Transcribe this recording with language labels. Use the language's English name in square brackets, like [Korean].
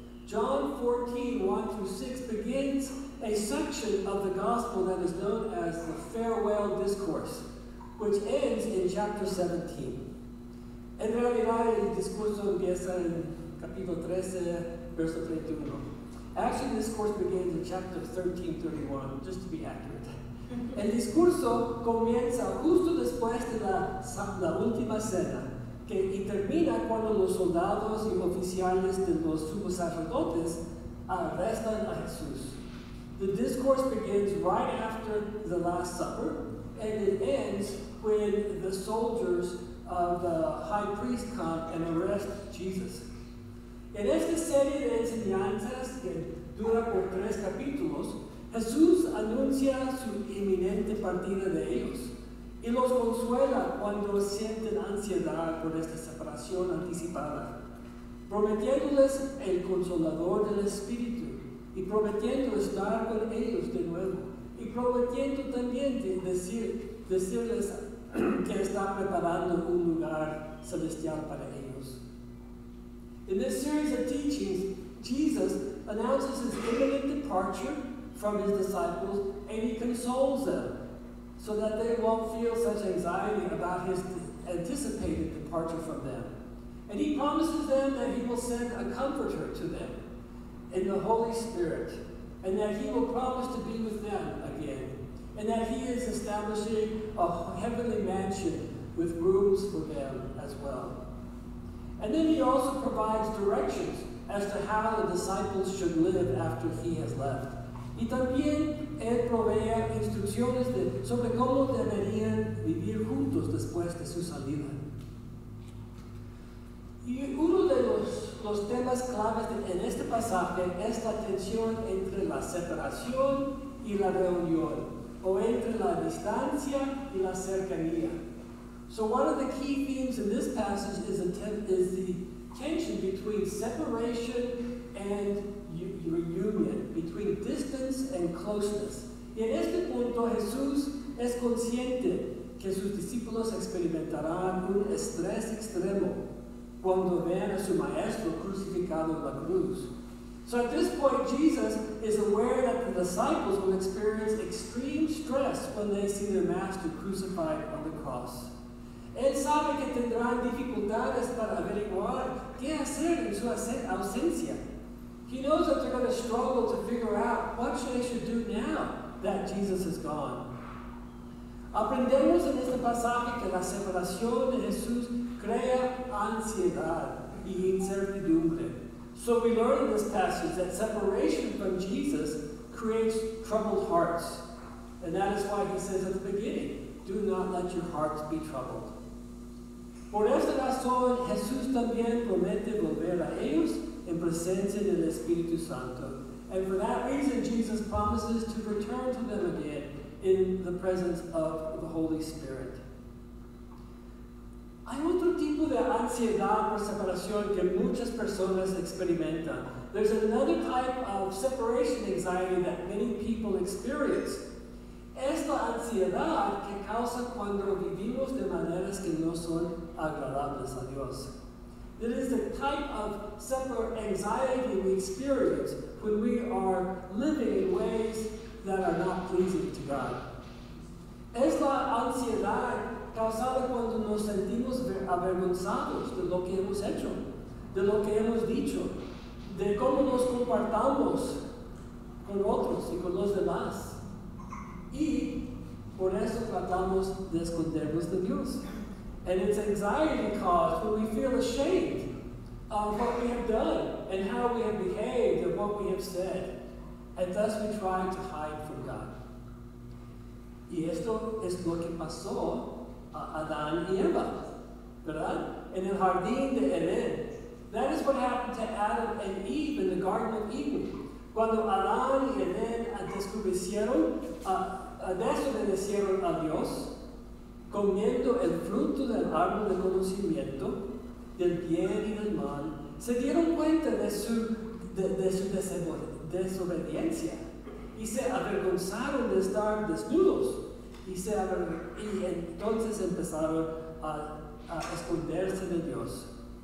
[English] John 14, 1 through 6 begins a section of the gospel that is known as the farewell discourse, which ends in chapter 17. [Spanish] En realidad, el discurso empieza en capítulo 13, verso 31. [English] Actually, this course begins in chapter 13:31, just to be accurate. [Spanish] El discurso comienza justo después de la última cena, y termina cuando los soldados y oficiales de los sumos sacerdotes arrestan a Jesús. [English] The discourse begins right after the Last Supper, and it ends when the soldiers of the high priest come and arrest Jesus. [Spanish] En esta serie de enseñanzas que dura por tres capítulos, Jesús anuncia su inminente partida de ellos y los consuela cuando sienten ansiedad por esta separación anticipada, prometiéndoles el consolador del Espíritu y prometiendo estar con ellos de nuevo y prometiendo también decirles que está preparando un lugar celestial para ellos. [English] In this series of teachings, Jesus announces his imminent departure from his disciples, and he consoles them so that they won't feel such anxiety about his anticipated departure from them. And he promises them that he will send a comforter to them in the Holy Spirit, and that he will promise to be with them again, and that he is establishing a heavenly mansion with rooms for them as well. And then he also provides directions as to how the disciples should live after he has left. [Spanish] Y también él provee instrucciones sobre cómo deberían vivir juntos después de su salida. Y uno de los temas claves en este pasaje es la tensión entre la separación y la reunión, o entre la distancia y la cercanía. [English] So one of the key themes in this passage is the tension between separation and reunion, between distance and closeness. [Spanish] Y en este punto, Jesús es consciente que sus discípulos experimentarán un estrés extremo cuando vean a su maestro crucificado en la cruz. [English] So at this point, Jesus is aware that the disciples will experience extreme stress when they see their master crucified on the cross. [Spanish] Él sabe que tendrán dificultades para averiguar qué hacer en su ausencia. [English] He knows that they're going to struggle to figure out what they should do now that Jesus is gone. [Spanish] Aprendemos en este pasaje que la separación de Jesús crea ansiedad y incertidumbre. [English] So we learn in this passage that separation from Jesus creates troubled hearts. And that is why he says at the beginning, do not let your hearts be troubled. [Spanish] Por esta razón, Jesús también promete volver a ellos en presencia del Espíritu Santo. [English] And for that reason, Jesus promises to return to them again in the presence of the Holy Spirit. [Spanish] Hay otro tipo de ansiedad por separación que muchas personas experimentan. [English] There's another type of separation anxiety that many people experience. [Spanish] Es la ansiedad que causa cuando vivimos de maneras que no son agradables a Dios. [English] It is the type of separate anxiety we experience when we are living in ways that are not pleasing to God. [Spanish] Es la ansiedad causada cuando nos sentimos avergonzados de lo que hemos hecho, de lo que hemos dicho, de cómo nos comportamos con otros y con los demás. Y por eso tratamos de escondernos de Dios. [English] And it's anxiety caused when we feel ashamed of what we have done and how we have behaved and what we have said. And thus we try to hide from God. [Spanish] Y esto es lo que pasó a Adán y Eva, ¿verdad? En el jardín de Edén. [English] That is what happened to Adam and Eve in the Garden of Eden. [Spanish] Cuando Adán y Edén desobedecieron a Dios, comiendo el fruto del árbol de conocimiento, del bien y del mal, se dieron cuenta de su desobediencia y se avergonzaron de estar desnudos y entonces empezaron a esconderse de Dios.